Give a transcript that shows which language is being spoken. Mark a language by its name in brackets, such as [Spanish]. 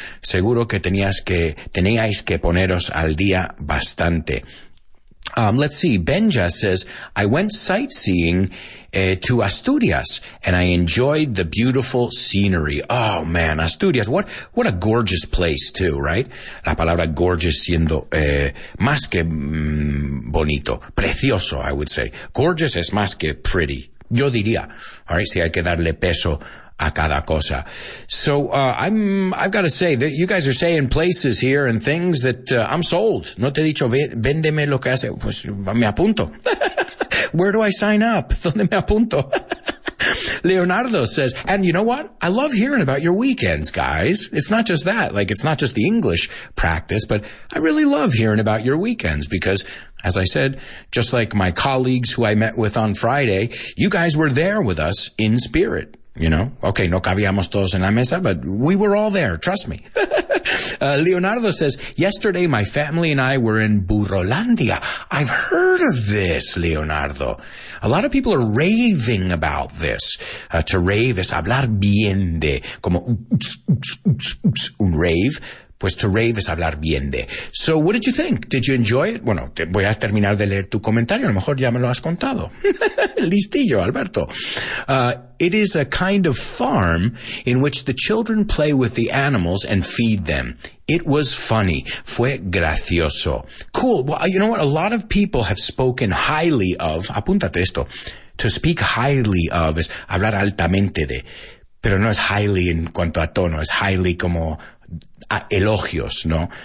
[Spanish] Seguro que teníais que poneros al día bastante. [English] Let's see. Benja says, I went sightseeing to Asturias and I enjoyed the beautiful scenery. Oh man, Asturias. What a gorgeous place too, right? [Spanish] La palabra gorgeous siendo más que bonito. Precioso, [English] I would say. [Spanish] Gorgeous es más que pretty. Yo diría, [English] all right, [Spanish] si hay que darle peso a cada cosa. [English] So I've got to say that you guys are saying places here and things that I'm sold. [Spanish] No te he dicho, véndeme lo que hace. Pues me apunto. [English] Where do I sign up? [Spanish] ¿Dónde me apunto? [English] Leonardo says, and you know what? I love hearing about your weekends, guys. It's not just that. Like, it's not just the English practice, but I really love hearing about your weekends because, as I said, just like my colleagues who I met with on Friday, you guys were there with us in spirit. You know, okay, [Spanish] no cabíamos todos en la mesa, [English] but we were all there, trust me. Leonardo says, yesterday my family and I were in Burrolandia. I've heard of this, Leonardo. A lot of people are raving about this. To rave is [Spanish] hablar bien de, como un rave. Pues to rave es hablar bien de. [English] So what did you think? Did you enjoy it? [Spanish] Bueno, te voy a terminar de leer tu comentario. A lo mejor ya me lo has contado. Listillo, Alberto. [English] It is a kind of farm in which the children play with the animals and feed them. It was funny. [Spanish] Fue gracioso. [English] Cool. Well, you know what? A lot of people have spoken highly of, [Spanish] apúntate esto, [English] to speak highly of [Spanish] es hablar altamente de, pero no es highly en cuanto a tono, es highly como elogios, ¿no?